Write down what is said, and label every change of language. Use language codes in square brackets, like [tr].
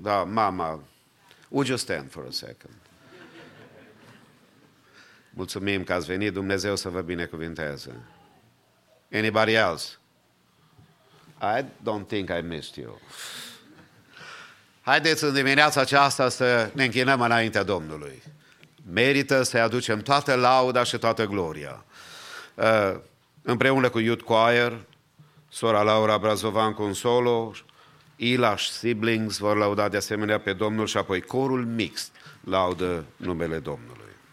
[ro] Da, mama, [en] would you stand for a second? [ro] Mulțumim că ați venit, Dumnezeu să vă binecuvinteze. [en] Anybody else? I don't think I missed you. [ro] Haideți în dimineața aceasta să ne închinăm înaintea Domnului. Merită să-i aducem toată lauda și toată gloria. Împreună cu Youth Choir, sora Laura Brazovan cu un solo, Ilaș Siblings vor lauda de asemenea pe Domnul și apoi corul mixt laudă numele Domnului.